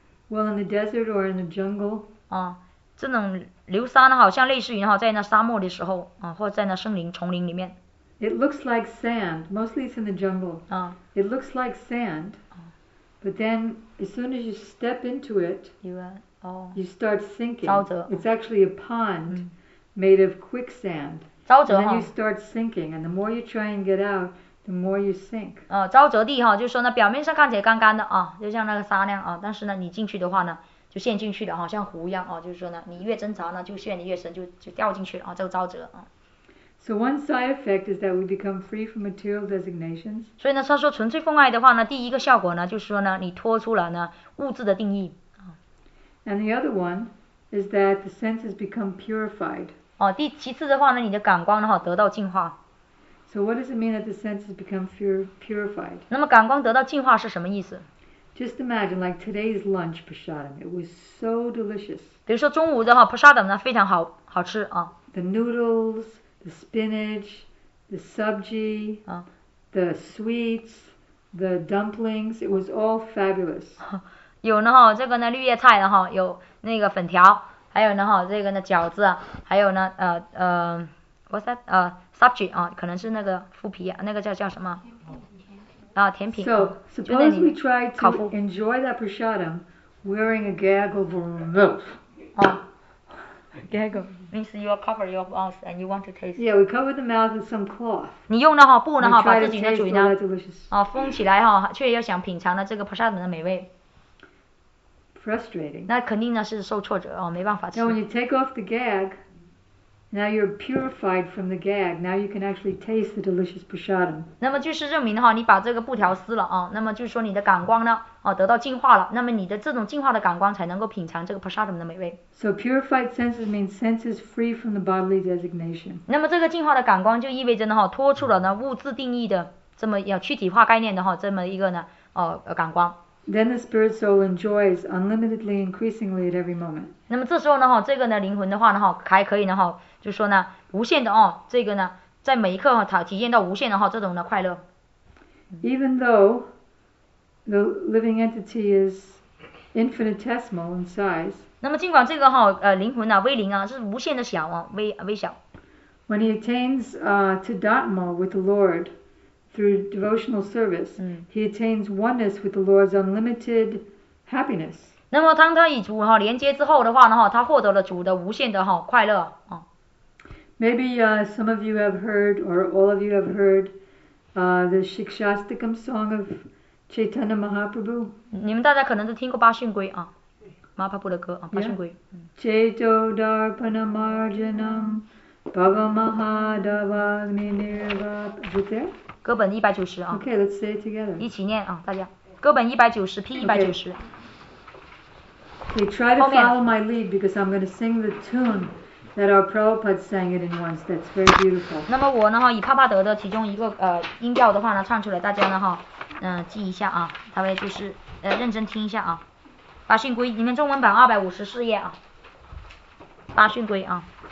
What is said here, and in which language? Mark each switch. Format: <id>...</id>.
<en>Well, in the desert or in the jungle.</en> <zh>啊，这种流沙呢，好像类似于哈，在那沙漠的时候啊，或者在那森林丛林里面。</zh> <en>It looks like sand. Mostly it's in the jungle. 啊。 It looks like sand. But then, as soon as you step into it, you start sinking.</en> <zh>沼泽,</zh> <en>It's actually a pond made of quicksand.</en> <zh>沼泽,</zh> <en>and then you start sinking. And the more you try and get out, the more you sink.</en> <zh>沼泽地哈，就是说呢，表面上看起来干干的啊，就像那个沙那样啊。但是呢，你进去的话呢，就陷进去的哈，像湖一样啊。就是说呢，你越挣扎呢，就陷得越深，就掉进去了啊。这个沼泽啊。</zh> <en>So one side effect is that we become free from material designations.</en> <zh>所以呢，他说纯粹奉爱的话呢，第一个效果呢，就是说呢，你脱出了呢物质的定义。</zh> <en>And the other one is that the senses become purified.</en> <zh>哦，其次的话呢，你的感官呢哈得到净化。</zh> <en>So what does it mean that the senses become purified?</en> <zh>那么感官得到净化是什么意思？</zh> <en>Just imagine like today's lunch, prasadam. It was so delicious.</en> <zh>比如说中午的哈 prasadam 呢非常好好吃啊。</zh> <en>The noodles. The spinach, the sabji, the sweets, the dumplings, it was all fabulous.</en> <zh>有呢哈，这个呢绿叶菜呢哈，有那个粉条，还有呢哈，这个呢饺子，还有呢</zh> <en>what's that?</en> <zh>Sabji 啊，可能是那个麸皮，那个叫什么？啊，甜品。</zh> <en>So suppose we try to enjoy that prasadam wearing a gag over our mouth. 啊， Gaggle means you cover your mouth and you want to taste. Yeah, we cover the mouth with some cloth.</en> <zh>你用的哈布呢哈，把自己的嘴呢啊封起来哈，却要想品尝了这个菩萨们的美味。</zh> <en>Frustrating.</en> <zh>那肯定呢是受挫折哦，没办法吃。</zh> <en>Now when you take off the gag, now you're purified from the gag. Now you can actually taste the delicious prasadam.</en> <zh>那么就是证明哈，你把这个布条撕了啊，那么就是说你的感官呢啊得到净化了，那么你的这种净化的感官才能够品尝这个prasadam的美味。</zh> <en>So purified senses means senses free from the bodily designation.</en> <zh>那么这个净化的感官就意味着呢哈，脱出了呢物质定义的这么要躯体化概念的哈这么一个呢感官。</zh> <en>Then the spirit soul enjoys unlimitedly, increasingly at every moment.</en> <zh>那么这时候呢，哈，这个呢，灵魂的话呢，哈，还可以呢，哈，就说呢，无限的哦，这个呢，在每一刻哈，体验到无限的哈，这种的快乐。</zh> <en>Even though the living entity is infinitesimal in size.</en> <zh>那么尽管这个哈，灵魂呢，微灵啊，是无限的小啊，微小。</zh> <en>When he attains to Dhatma with the Lord. Through devotional service, he attains oneness with the Lord's unlimited happiness.</en> <zh>那么当他与主哈连接之后的话呢哈，他获得了主的无限的哈快乐啊。</zh> <en>Maybe some of you have heard, or all of you have heard, the Shikshastikam song of Chaitanya Mahaprabhu.</en> <zh>你们大家可能都听过八训规啊，马帕布的歌啊，八训规。</zh> <sa>Chaito Darpana Marjanam Bhava Mahadavagni Nirvap.</sa> <en>Is it there?</en> <zh>歌本一百九十啊</zh> <en>，OK， let's say it together，</en> <zh>一起念啊，大家，歌本一百九十 ，P 一百九十。</zh> <en>Okay, try to follow my lead because I'm going to sing the tune that our Prabhupada sang it in once. That's very beautiful.</en> <zh>那么我呢哈，以帕帕德的其中一个音调的话呢唱出来，大家呢哈，记一下啊，他们就是认真听一下啊，《八训规》里面中文版254页啊，《八训规》啊。</zh>